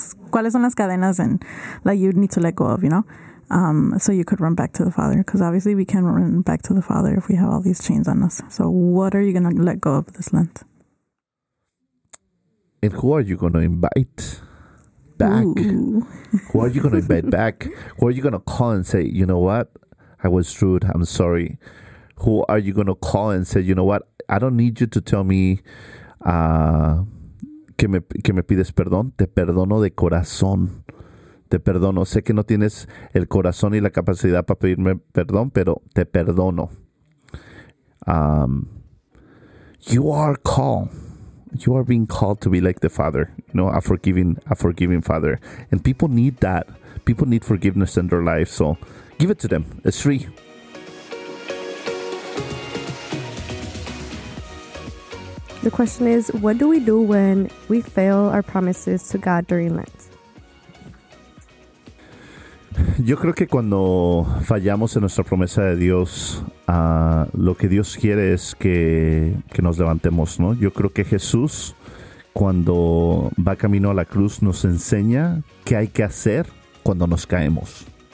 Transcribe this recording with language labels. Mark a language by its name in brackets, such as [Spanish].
[Spanish] ¿Cuáles son las cadenas en [English] that you need to let go of, you know? So you could run back to the Father. Because obviously we can run back to the Father if we have all these chains on us. So what are you going to let go of this Lent? And who are you going to invite back? Ooh. Who are you going to invite back? Who are you going to call and say, you know what? I was rude. I'm sorry. Who are you going to call and say, you know what? I don't need you to tell me [Spanish] que me pides perdón. Te perdono de corazón. Te perdono. Sé que no tienes el corazón y la capacidad para pedirme perdón, pero te perdono. [English] You are called. You are being called to be like the Father. You know, a forgiving Father. And people need that. People need forgiveness in their life. So give it to them. It's free. The question is, what do we do when we fail our promises to God during Lent? [Spanish] Yo creo que cuando fallamos en nuestra promesa de Dios, lo que Dios quiere es que nos levantemos, ¿no? Yo creo que Jesús, cuando va camino a la cruz, nos enseña qué hay que hacer cuando nos caemos.